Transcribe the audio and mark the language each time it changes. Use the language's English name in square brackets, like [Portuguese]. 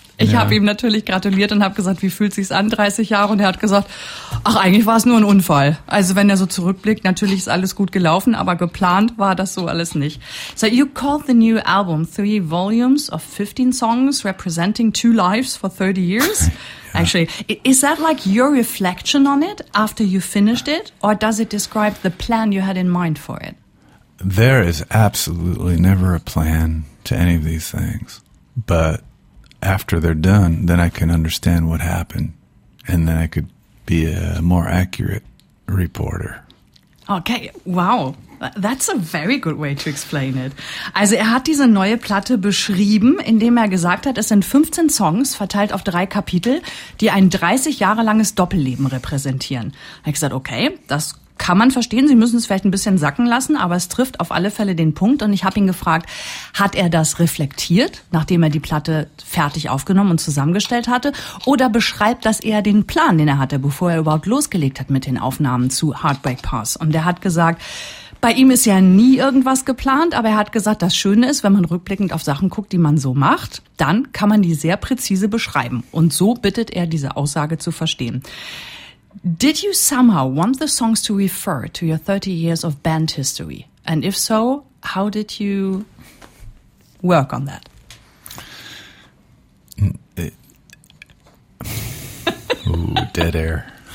[German] Ich habe ihm natürlich gratuliert und habe gesagt, wie fühlt sich's an, 30 Jahre? Und er hat gesagt, ach, eigentlich war es nur ein Unfall. Also wenn er so zurückblickt, natürlich ist alles gut gelaufen, aber geplant war das so alles nicht. [English] So you called the new album 3 volumes of 15 songs representing 2 lives for 30 years. Yeah. Actually, is that like your reflection on it after you finished it? Or does it describe the plan you had in mind for it? There is absolutely never a plan to any of these things, but after they're done, then I can understand what happened, and then I could be a more accurate reporter. Okay, wow. That's a very good way to explain it. [German] Also er hat diese neue Platte beschrieben, indem er gesagt hat, es sind 15 Songs verteilt auf 3 Kapitel, die ein 30 Jahre langes Doppelleben repräsentieren. Er hat gesagt, okay, das kann man verstehen, sie müssen es vielleicht ein bisschen sacken lassen, aber es trifft auf alle Fälle den Punkt. Und ich habe ihn gefragt, hat er das reflektiert, nachdem er die Platte fertig aufgenommen und zusammengestellt hatte? Oder beschreibt das eher den Plan, den er hatte, bevor er überhaupt losgelegt hat mit den Aufnahmen zu Heartbreak Pass? Und er hat gesagt, bei ihm ist ja nie irgendwas geplant, aber er hat gesagt, das Schöne ist, wenn man rückblickend auf Sachen guckt, die man so macht, dann kann man die sehr präzise beschreiben. Und so bittet er, diese Aussage zu verstehen. [English] Did you somehow want the songs to refer to your 30 years of band history? And if so, how did you work on that? Ooh, dead air.